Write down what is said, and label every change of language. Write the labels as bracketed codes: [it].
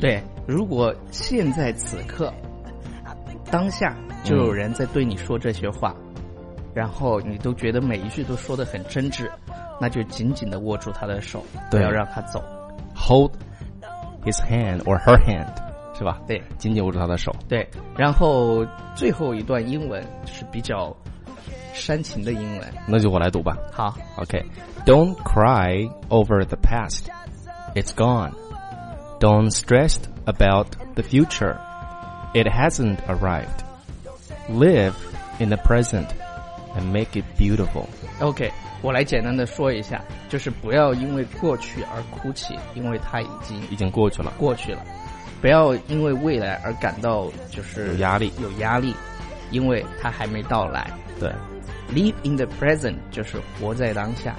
[zh] 对，如果现在此刻当下就有人在对你说这些话，然后你都觉得每一句都说得很真挚，那就紧紧地握住他的手，不要让他走。 [en] Hold his hand or her hand， [zh] 是吧？对，紧紧握住他的手。对，然后最后一段英文就是比较煽情的英文，那就我来读吧。好。 [en] OK， Don't cry over the past, it's gone. Don't stress about the future, it hasn't arrived. Live in the present and make it beautiful. [zh] OK， 我来简单的说一下，就是不要因为过去而哭泣，因为它已经过去了，过去了。不要因为未来而感到就是有压力，因为它还没到来。对。 [en] Live in the present [zh] 就是活在当下，